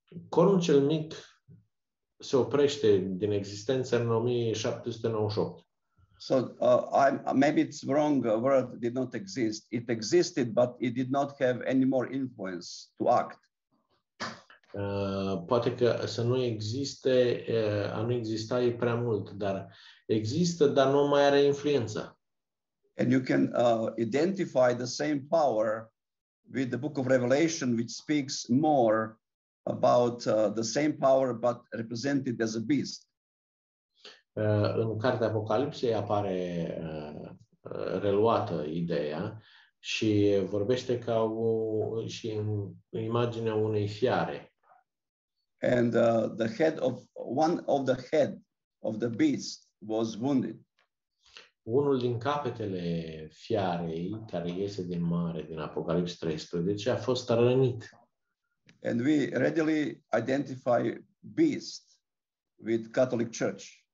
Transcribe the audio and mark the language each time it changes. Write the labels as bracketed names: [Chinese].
[Romanian] Cornul cel Mic se oprește din existență în 1798. [English] So I maybe it's wrong, a word did not exist. It existed, but it did not have any more influence to act. [Romanian] Poate că să nu existe, a nu exista e prea mult, dar există, dar nu mai are influență. [English] And you can identify the same power with the book of Revelation, which speaks more about the same power, but represented as a beast. [Romanian] În cartea Apocalipsei apare reluată ideea și vorbește ca o și în imaginea unei fiare. [English] And the head of one of the head of the beast was wounded. [Romanian] Unul din capetele fiarei care iese din mare din Apocalipsa 13 a fost rănit. [English] And we readily identify beast with Catholic Church.